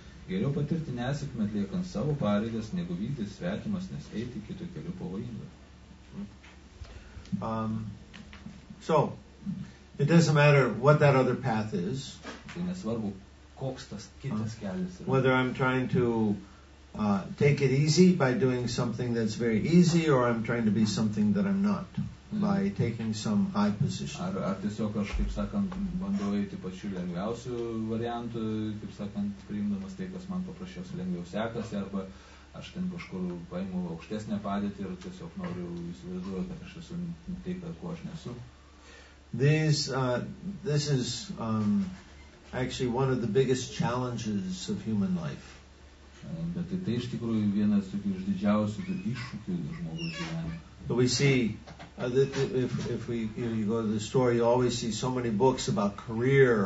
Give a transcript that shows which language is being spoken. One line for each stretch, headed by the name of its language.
Lithuanian: Geriau patirti nesėkmę atliekant savo pareigas, negu vykti svetimas, nes eiti kitu keliu pavojinga.
English: So, it doesn't matter what that other path is.
Lithuanian: Tai nesvarbu, koks tas kitas kelias yra.
English: Whether I'm trying to take it easy by doing something that's very easy, or I'm trying to be something that I'm not by taking some high position.
Lithuanian: Ar tiesiog aš, kaip sakant, bandau eiti pačiu lengviausiu variantu, kaip sakant, priimdamas tai, kas man paprasčiausiai lengviau sekasi, arba aš ten kažkur paimu aukštesnę padėtį ir tiesiog noriu įsivaizduoti, kad aš esu tai, kuo aš nesu.
English: This is actually one of the biggest challenges of human life.
Lithuanian: Bet tai iš tikrųjų vienas iš didžiausių iššūkių žmogaus gyvenime.
English: But we see if you go to the store, you always see so many books about career.